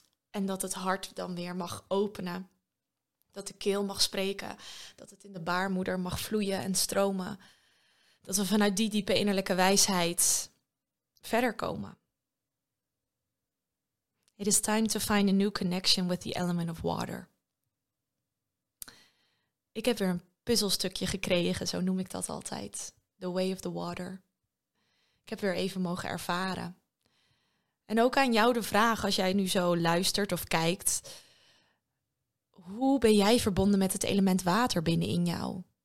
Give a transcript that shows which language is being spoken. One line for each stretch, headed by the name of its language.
Dutch: En dat het hart dan weer mag openen. Dat de keel mag spreken. Dat het in de baarmoeder mag vloeien en stromen. Dat we vanuit die diepe innerlijke wijsheid verder komen.
English: It is time to find a new connection with the element of water.
Dutch: Ik heb weer een puzzelstukje gekregen, zo noem ik dat altijd.
English: The way of the water.
Dutch: Ik heb weer even mogen ervaren. En ook aan jou de vraag, als jij nu zo luistert of kijkt. Hoe ben jij verbonden met het element water binnen in jou?